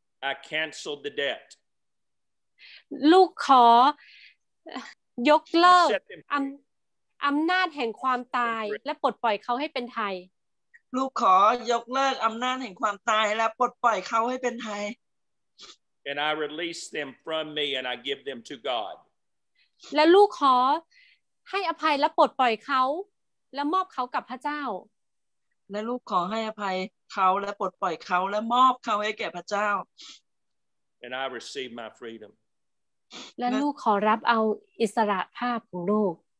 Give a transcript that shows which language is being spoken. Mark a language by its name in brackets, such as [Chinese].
[English] I cancel the debt [Thai] ลูกขอยกเลิกอำนาจแห่งความตายและปลดปล่อยเขาให้เป็นไทย ลูกขอยกเลิกอำนาจแห่งความตายและปลดปล่อยเขาให้เป็นไทย [English] And I release them from me and I give them to God [Thai] และลูกขอให้อภัยและปลดปล่อยเขาและมอบเขากับพระเจ้า และลูกขอให้อภัยเขาและปลดปล่อยเขาและมอบเขาให้แก่พระเจ้า [English] And I receive my freedom [Thai] และลูกขอรับเอาอิสระภาพของลูก